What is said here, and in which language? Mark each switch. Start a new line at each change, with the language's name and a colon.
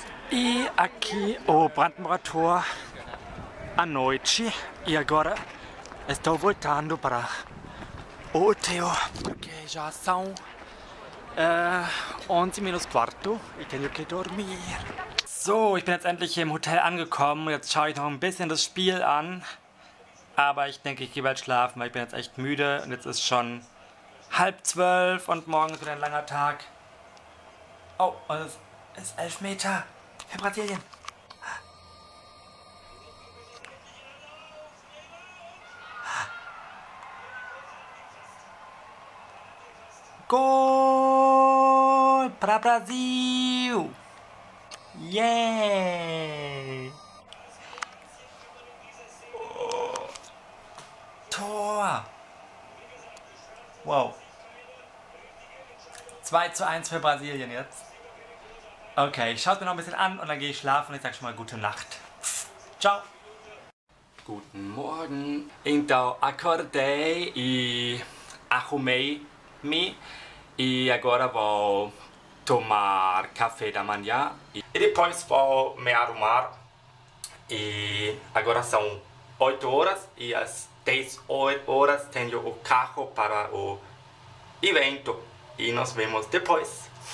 Portuguese: E aqui o Brandenburger Tor à noite, e agora estou voltando para o hotel, porque já são 11:15 e tenho que dormir.
German: So, ich bin jetzt endlich hier im Hotel angekommen. Jetzt schaue ich noch ein bisschen das Spiel an. Aber ich denke, ich gehe bald schlafen, weil ich bin jetzt echt müde. Und jetzt ist schon 11:30 und morgen ist wieder ein langer Tag. Oh, und es ist 11 Meter für Brasilien.
Portuguese: Gol para Brasil!
English: Yeah!
German: Oh. Tor! Wow! 2:1 für Brasilien jetzt. Okay, ich schaue es mir noch ein bisschen an und dann gehe ich schlafen und ich sage schon mal gute Nacht. Ciao! Guten Morgen!
Portuguese: Então, acordei e arrumei-me e agora vou tomar café da manhã. E depois vou me arrumar e agora são 8 horas e às 10 horas tenho o carro para o evento e nos vemos depois.